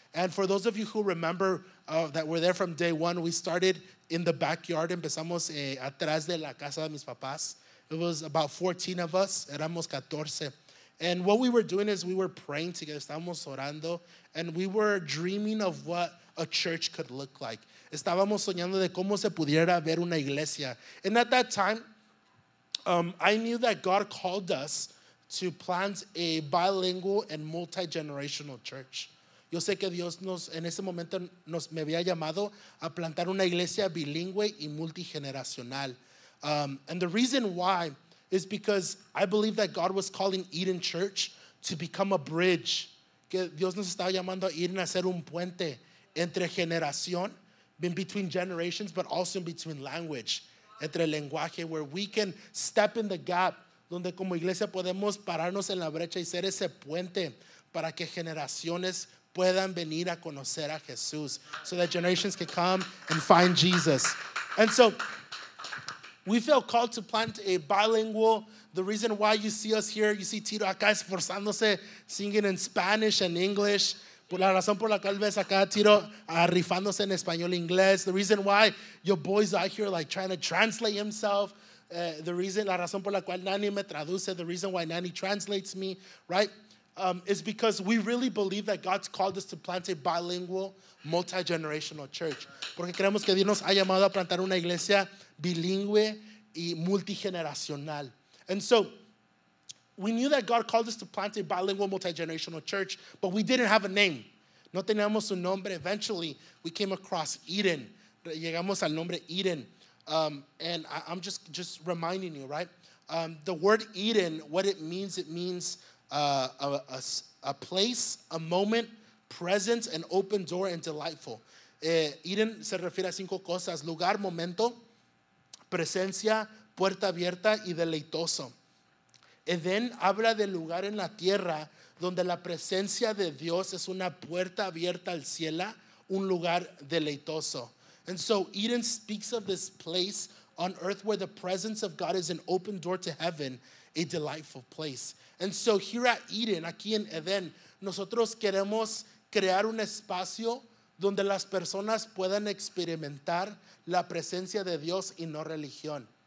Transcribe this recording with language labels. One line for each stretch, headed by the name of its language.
English: And for those of you who remember that were there from day one, we started in the backyard.
Spanish: Empezamos atrás de la casa de mis papás.
English: It was about 14 of us.
Spanish: Éramos 14.
English: And what we were doing is we were praying together.
Spanish: Estábamos orando.
English: And we were dreaming of what a church could look like.
Spanish: Estábamos soñando de cómo se pudiera ver una iglesia.
English: And at that time, I knew that God called us to plant a bilingual and multi-generational church.
Spanish: Yo sé que Dios nos, en ese momento, nos me había llamado a plantar una iglesia bilingüe y multigeneracional.
English: And the reason why is because I believe that God was calling Eden Church to become a bridge.
Spanish: Que Dios nos estaba llamando a Eden a ser un puente entre generación,
English: in between generations, but also in between language.
Spanish: Entre el lenguaje,
English: where we can step in the gap,
Spanish: donde como iglesia podemos pararnos en la brecha y ser ese puente para que generaciones puedan venir a conocer a Jesús,
English: so that generations can come and find Jesus. And so we felt called to plant a bilingual. The reason why you see us here, you see Tito
Spanish: acá esforzándose,
English: singing in Spanish and English.
Spanish: Por la razón por la cual ves acá Tito rifándose en español e inglés.
English: The reason why your boy's out here like trying to translate himself.
Spanish: La razón por la cual Nani me traduce.
English: The reason why Nani translates me, right? Is because we really believe that God's called us to plant a bilingual, multi-generational church.
Spanish: Porque creemos que Dios nos ha llamado a plantar una iglesia bilingüe y multigeneracional.
English: And so, we knew that God called us to plant a bilingual, multi-generational church, but we didn't have a name.
Spanish: No teníamos un nombre.
English: Eventually, we came across Eden.
Spanish: Llegamos al nombre Eden.
English: And I'm just reminding you, right? The word Eden, what it means a place, a moment, present, an open door, and delightful.
Spanish: Eden se refiere a cinco cosas. Lugar, momento, presencia, puerta abierta, y deleitoso. Eden habla del lugar en la tierra donde la presencia de Dios es una puerta abierta al cielo, un lugar deleitoso.
English: And so Eden speaks of this place on earth where the presence of God is an open door to heaven, a delightful place. And so here at Eden,
Spanish: aquí en Eden, nosotros queremos crear un espacio donde las personas puedan experimentar la presencia de Dios y no religión.